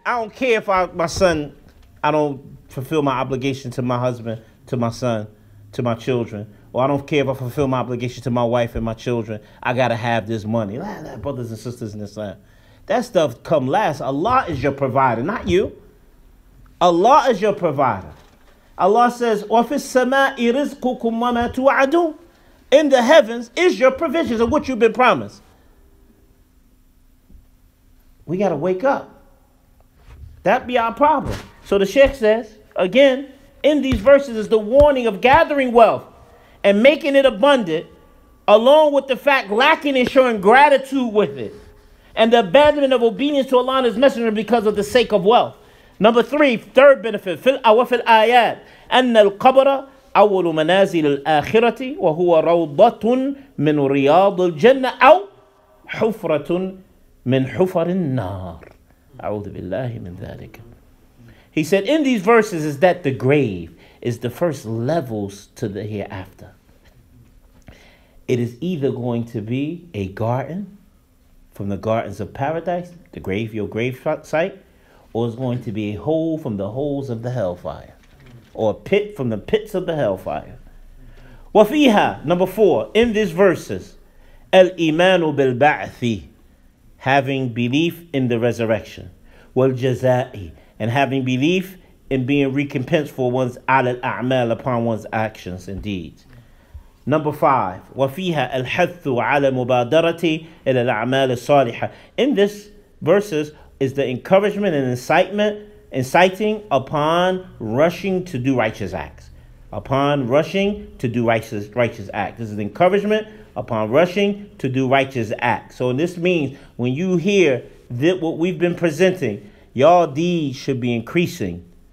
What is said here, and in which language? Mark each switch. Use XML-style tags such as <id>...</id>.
<en>I don't care if I don't fulfill my obligation to my husband, to my son, to my children. Well, I don't care if I fulfill my obligation to my wife and my children. I got to have this money. Brothers and sisters in this land. That stuff come last. Allah is your provider, not you. Allah is your provider.</en> <ar>Allah says, وَفِي السَّمَاءِ رِزْقُكُمْ وَمَا تُوَعَدُونَ.</ar> <en>In the heavens is your provisions of what you've been promised. We got to wake up. That be our problem. So the Sheikh says, again, in these verses is the warning of gathering wealth and making it abundant, along with the fact lacking in showing gratitude with it, and the abandonment of obedience to Allah and His Messenger because of the sake of wealth. Number three, third benefit.</en> <ar>في الأول في الآيات أن القبر أول منازل الآخرة وهو روضة من رياض الجنة أو حفرة من حفر النار. أعوذ بالله من ذلك.</ar> <en>He said in these verses is that the grave is the first levels to the hereafter. It is either going to be a garden from the gardens of paradise, the grave, your grave site, or it's going to be a hole from the holes of the hellfire, or a pit from the pits of the hellfire. وَفِيهَا, number four, in these verses, الْإِيمَانُ بِالْبَعْثِ, having belief in the resurrection, وَالْجَزَاءِ, and having belief in being recompensed for one's عَلَى الْأَعْمَالِ, upon one's actions and deeds.</en> <ar>Number five, وَفِيهَا الْحَثُّ عَلَى مُبَادَرَةِ إِلَى الْأَعْمَالِ الصَّالِحَةِ.</ar> <en>In this verses is the encouragement and inciting upon rushing to do righteous acts. Upon rushing to do righteous acts. This is the encouragement upon rushing to do righteous acts. So this means when you hear that what we've been presenting, your deeds should be increasing.</en>